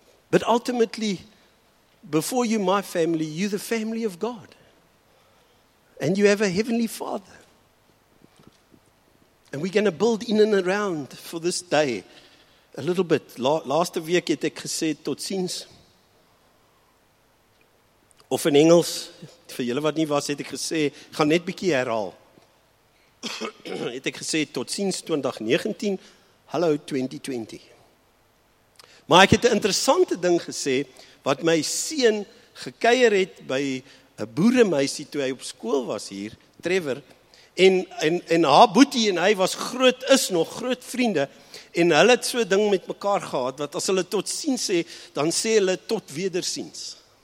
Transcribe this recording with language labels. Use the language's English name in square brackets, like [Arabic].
[English] But ultimately, before you, my family, you're the family of God. And you have a heavenly Father. And we're going to build in and around for this day a little bit. [Afrikaans] Laaste week het ek gesê, tot ziens. Of in Engels, vir julle wat nie was, het ek gesê, gaan net bietjie herhaal. Het ek gesê, tot ziens 2019, hallo 2020. Maar ek het 'n interessante ding gesê, wat my seun gekeier het by 'n boeremeisie toe hy op skool was hier, Trevor, en haar boetie en hy was groot, is nog groot vriende, en hulle het so ding met mekaar gehad, wat as hulle tot ziens sê, dan sê hulle tot wederziens.